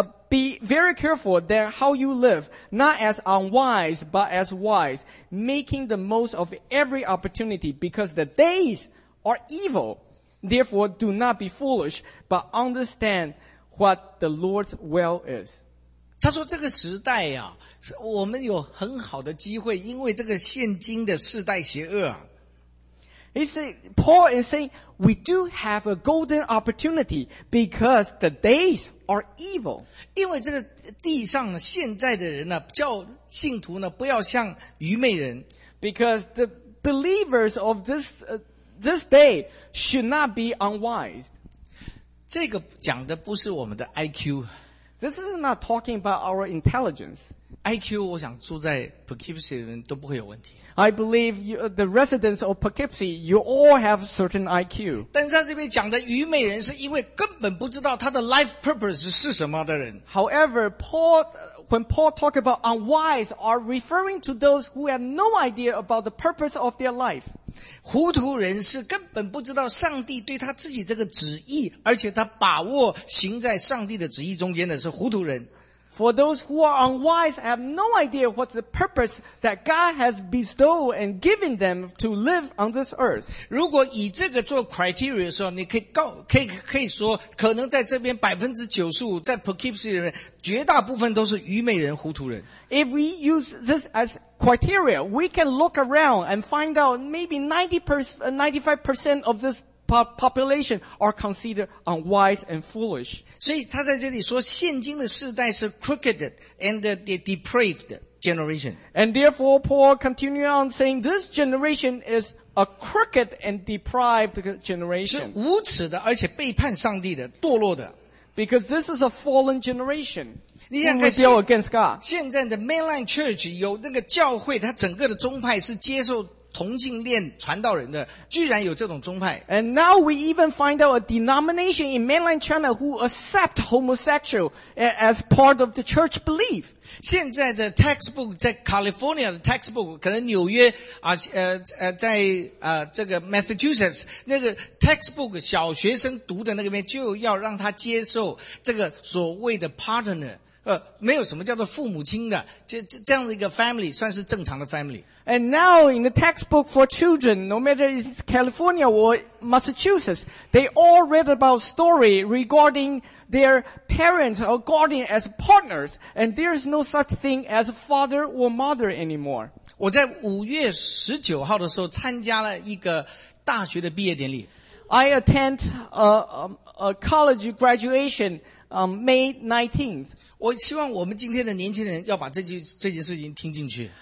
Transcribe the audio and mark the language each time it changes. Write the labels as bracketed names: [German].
[English] Be very careful then how you live, not as unwise, but as wise, making the most of every opportunity, because the days are evil. Therefore, do not be foolish, but understand what the Lord's will is. [Chinese] 他说这个时代啊，我们有很好的机会，因为这个现今的世代邪恶啊。 [English] Paul is saying, we do have a golden opportunity because the days are evil. [Chinese] 因为这个地上现在的人呢，叫信徒呢，不要像愚昧人。 [English] Because the believers of this day should not be unwise. [Chinese] 这个讲的不是我们的 IQ. [English] This is not talking about our intelligence. [Chinese] IQ 我想住在 Poughkeepsie 的人都不会有问题。 [English] I believe you, the residents of Poughkeepsie, you all have certain IQ. [Chinese] 但是他这边讲的愚昧人是因为根本不知道他的 [English] life purpose [Chinese] 是什么的人。 [English] However, when Paul talk about unwise are referring to those who have no idea about the purpose of their life. [Chinese] 糊涂人是根本不知道上帝对他自己这个旨意，而且他把握行在上帝的旨意中间的是糊涂人。 [English] For those who are unwise have no idea what's the purpose that God has bestowed and given them to live on this earth. [Chinese] 如果以这个做 criteria 的时候，你可以说，可能在这边 95% 在 Poughkeepsie 的人，绝大部分都是愚昧人、糊涂人。 [English] If we use this as criteria, we can look around and find out maybe 95% of this population are considered unwise and foolish. [Chinese] 所以他在这里说现今的世代是 [English] crooked and the depraved generation. And therefore Paul continue on saying this generation is a crooked and deprived generation. [Chinese] 是无耻的而且背叛上帝的堕落的。 [English] Because this is a fallen generation. [Chinese] 你想看 [English] rebel against God. [Chinese] 现在的 [English] mainline church [Chinese] 有那个教会，它整个的宗派是接受同性恋传道人的，居然有这种宗派。 [English] And now we even find out a denomination in mainland China who accept homosexual as part of the church belief. [Chinese] 现在的 textbook 在 California 的 textbook， 可能纽约啊，在啊这个 Massachusetts 那个 textbook 小学生读的那个面，就要让他接受这个所谓的 partner。没有什么叫做父母亲的，这样的一个 family 算是正常的 family。 [English] And now in the textbook for children, no matter if it's California or Massachusetts, they all read about story regarding their parents or guardian as partners, and there's no such thing as father or mother anymore. [Chinese] 我在5月19号的时候参加了一个大学的毕业典礼。 [English] I attend a college graduation May 19th. [Chinese] 我希望我们今天的年轻人要把这件事情听进去。